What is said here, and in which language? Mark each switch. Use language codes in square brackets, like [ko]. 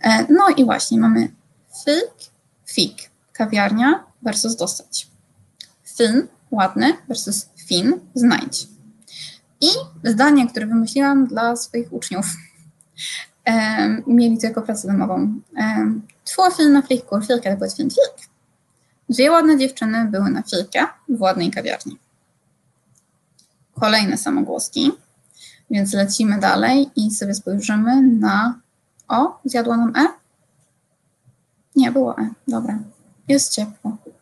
[pl] No i właśnie mamy fik, fik, kawiarnia versus dostać. Fin, ładny versus fin, znajdź. I zdanie, które wymyśliłam dla swoich uczniów. Mieli to jako pracę domową. [sv] Två fina flickor fikade på ett fint fik. [pl] Dwie ładne dziewczyny były na fikie w ładnej kawiarni. Kolejne samogłoski, więc lecimy dalej i sobie spojrzymy na... O, zjadło nam E? Nie, było E. Dobra. Jest ciepło.